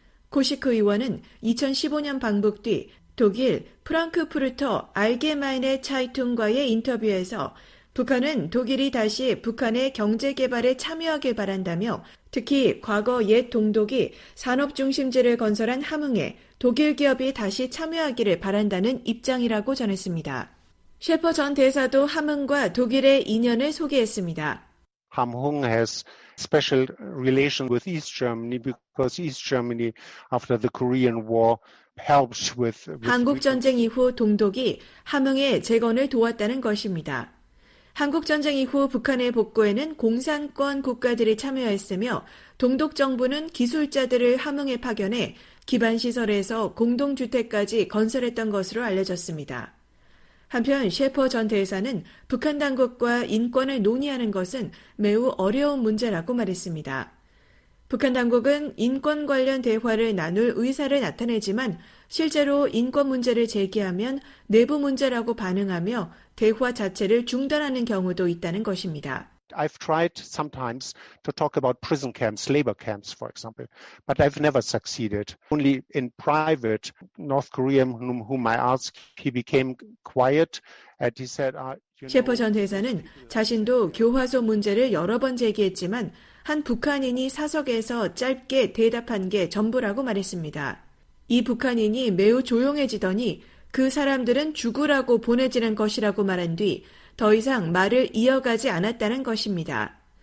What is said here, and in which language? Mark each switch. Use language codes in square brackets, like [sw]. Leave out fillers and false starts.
[ko] 코시크 의원은 2015년 방북 뒤 독일 프랑크푸르터 알게마이네 차이툰과의 인터뷰에서 북한은 독일이 다시 북한의 경제 개발에 참여하길 바란다며 특히 과거 옛 동독이 산업중심지를 건설한 함흥에 독일 기업이 다시 참여하기를 바란다는 입장이라고 전했습니다. 셰퍼 전 대사도 함흥과 독일의 인연을 소개했습니다. [en] Hamhung has special relation with East Germany because East Germany after the Korean War helped with [ko] 한국 전쟁 이후 동독이 함흥의 재건을 도왔다는 것입니다. 한국 전쟁 이후 북한의 복구에는 공산권 국가들이 참여했으며 동독 정부는 기술자들을 함흥에 파견해 기반 시설에서 공동 주택까지 건설했던 것으로 알려졌습니다. 한편 셰퍼 전 대사는 북한 당국과 인권을 논의하는 것은 매우 어려운 문제라고 말했습니다. 북한 당국은 인권 관련 대화를 나눌 의사를 나타내지만 실제로 인권 문제를 제기하면 내부 문제라고 반응하며 대화 자체를 중단하는 경우도 있다는 것입니다. [en] I've tried sometimes to talk about prison camps, labor camps, for example, but I've never succeeded. Only in private, North Korean whom I asked, he became quiet and he said, you know, [ko] 셰퍼 전 대사는 자신도 교화소 문제를 여러 번 제기했지만 한 북한인이 사석에서 짧게 대답한 게 전부라고 말했습니다. 이 북한인이 매우 조용해지더니 그 사람들은 죽으라고 보내지는 것이라고 말한 뒤 더 이상 말을 이어가지 않았다는 것입니다.